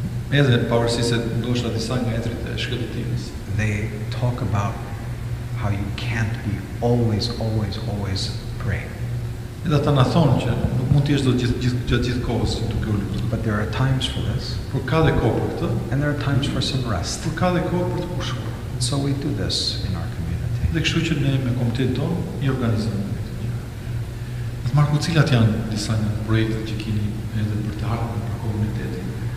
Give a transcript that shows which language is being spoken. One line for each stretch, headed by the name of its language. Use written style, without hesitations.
Albanian: edhe pavarësisht se ndoshta disa nga etrit e shkëlqimit.
English: They talk about how you can't be always, always, always praying.
Albanian: Edhe ata na thonë që nuk mund të jesh do gjithë kohës duke u lutur.
English: But there are times for this.
Albanian: Por ka dhe kohë për këtë.
English: And there are times for some rest.
Albanian: Por ka dhe kohë për të kushtuar.
English: So we do this in our community.
Albanian: Dhe kështu që ne me komitetin tonë I organizojmë. Atë Marku, cilat janë disa nga projektet që keni edhe për të ardhmen për komunitetin?